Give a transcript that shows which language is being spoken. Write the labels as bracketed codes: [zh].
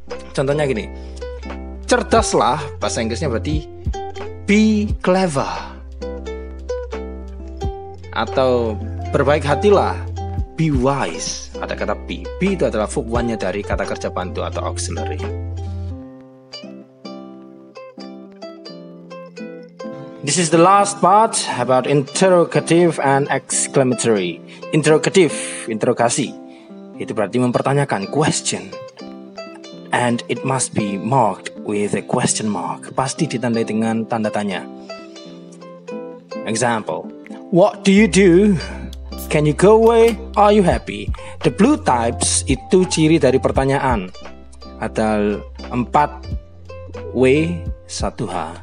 [id] Contohnya gini, cerdaslah, bahasa Inggrisnya berarti [en] be clever. [id] Atau berbaik hatilah, [en] be wise. [id] Ada kata be, be itu adalah verb one-nya dari kata kerja bantu atau auxiliary. [en] This is the last part about interrogative and exclamatory. [id] Interrogative, interogasi, itu berarti mempertanyakan, question. [en] And it must be marked with a question mark. [id] Pasti ditandai dengan tanda tanya. [en] Example, what do you do? Can you go away? Are you happy? The blue types, [id] itu ciri dari pertanyaan. Ada 4 W, 1 H.